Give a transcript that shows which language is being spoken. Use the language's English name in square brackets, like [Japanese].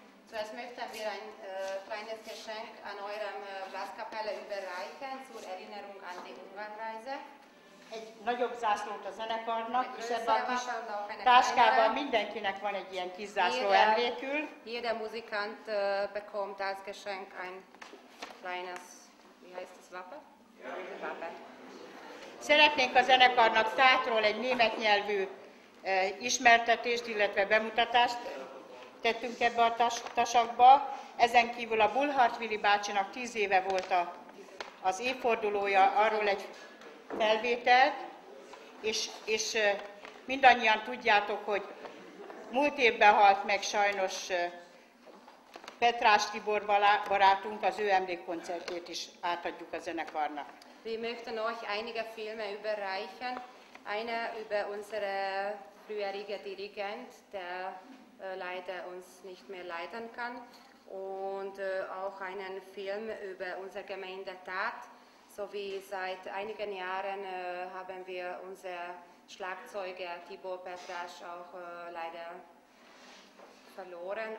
[German] Zuerst möchte ich ein kleines Geschenk an eurem Blaskapelle überreichen zur Erinnerung an die Ungarnreise. [Hungarian] Egy nagyobb zászlót a zenekarnak, és ebben a kis táskában mindenkinek van egy ilyen kis zászló emlékül. [German] Jeder Musikant bekommt als Geschenk ein kleines, wie heißt das, Wappe? Wappe. [Hungarian] Szeretnénk a zenekarnak Tátról egy német nyelvű ismertetést, illetve bemutatást tettünk ebbe a tasakba. Ezen kívül a Bulhart Vili bácsinak 10 éve volt az évfordulója, arról egy felvételt, és mindannyian tudjátok, hogy múlt évben halt meg sajnos Petrás Tibor barátunk, az ő emlékkoncertjét is átadjuk a zenekarnak. [German] Wir möchten euch einige Filme überreichen. Eine über unsere früherige Dirigent, der leider uns nicht mehr leiten kann. Und auch einen Film über unsere Gemeinde Tat. So wie seit einigen Jahren haben wir unser Schlagzeuger Tibor Petras auch leider verloren.